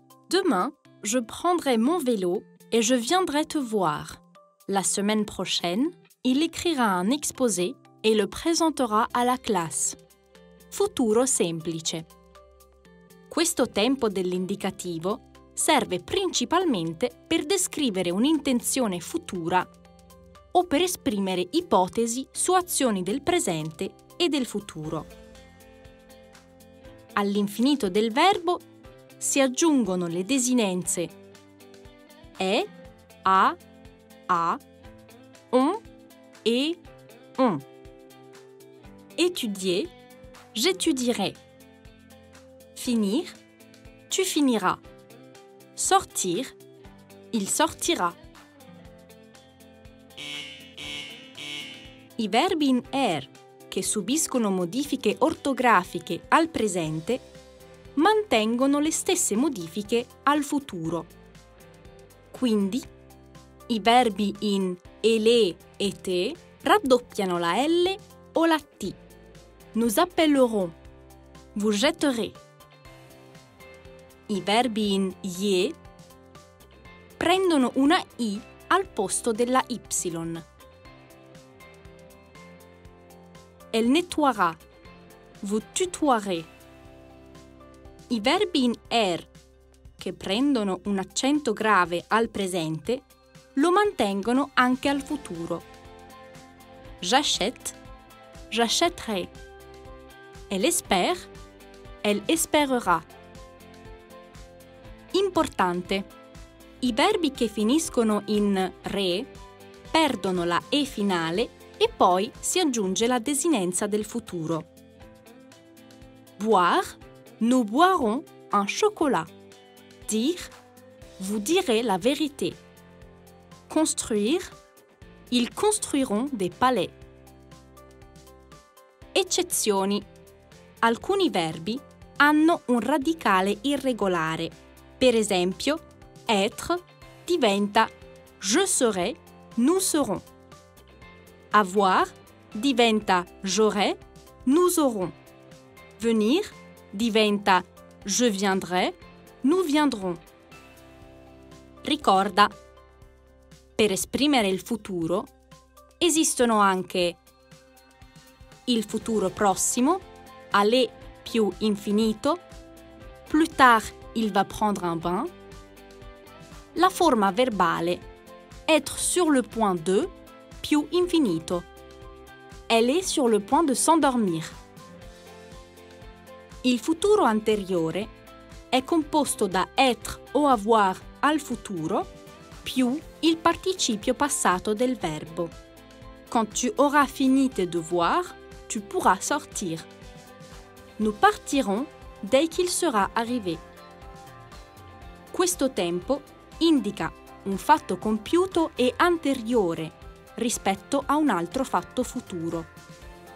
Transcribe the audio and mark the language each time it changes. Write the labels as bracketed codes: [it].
[fr] Demain, je prendrai mon vélo et je viendrai te voir. La semaine prochaine, il écrira un exposé et le présentera à la classe. [it] Futuro semplice. Questo tempo dell'indicativo serve principalmente per descrivere un'intenzione futura o per esprimere ipotesi su azioni del presente e del futuro. All'infinito del verbo si aggiungono le desinenze è, a, un, e, un. [fr] Étudier, j'étudierai. Finir, tu finiras. Sortir, il sortira. [it] I verbi in er, che subiscono modifiche ortografiche al presente, mantengono le stesse modifiche al futuro. Quindi, i verbi in ele e te raddoppiano la L o la T. [fr] Nous appellerons, vous jetterez. [it] I verbi in ye prendono una I al posto della Y. [fr] Elle nettoiera, vous tutoierez. [it] I verbi in er, che prendono un accento grave al presente, lo mantengono anche al futuro. [fr] J'achète, j'achèterai. Elle espère, elle espérera. [it] Importante! I verbi che finiscono in re perdono la e finale e poi si aggiunge la desinenza del futuro. [fr] Boire, nous boirons un chocolat. Dire, vous direz la vérité. Construire, ils construiront des palais. [it] Eccezioni. Alcuni verbi hanno un radicale irregolare. Per esempio, être diventa [fr] je serai, nous serons. [it] Avoir diventa [fr] j'aurai, nous aurons. [it] Venir diventa [fr] je viendrai, nous viendrons. [it] Ricorda, per esprimere il futuro esistono anche il futuro prossimo, aller più infinito, [fr] plus tard il va prendre un bain, [it] la forma verbale [fr] être sur le point de [it] più infinito, [fr] elle est sur le point de s'endormir. [it] Il futuro anteriore è composto da être o avoir al futuro più il participio passato del verbo. [fr] Quand tu auras fini tes devoirs, tu pourras sortir. Nous partirons dès qu'il sera arrivé. [it] Questo tempo indica un fatto compiuto e anteriore rispetto a un altro fatto futuro.